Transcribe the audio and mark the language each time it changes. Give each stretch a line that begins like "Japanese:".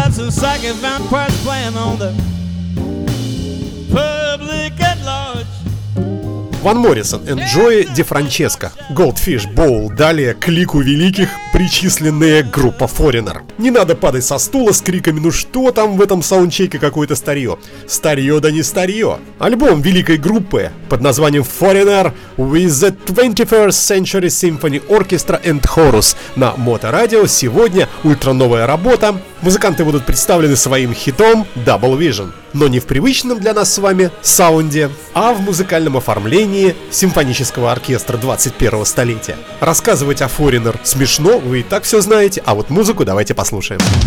English: Psychic vampires playing on the public at large.
Russian: Ван Моррисон, Enjoy DeFrancesco, Goldfish, Bowl, далее к лику великих, причисленные группа Foreigner. Не надо падать со стула с криками, ну что там в этом саундчеке какое-то старье? Старье да не старье. Альбом великой группы под названием Foreigner with the 21st Century Symphony Orchestra and Chorus на Моторадио. Сегодня ультрановая работа. Музыканты будут представлены своим хитом Double Vision. Но не в привычном для нас с вами саунде, а в музыкальном оформлении симфонического оркестра 21-го столетия. Рассказывать о Foreigner смешно, вы и так все знаете, а вот музыку давайте послушаем.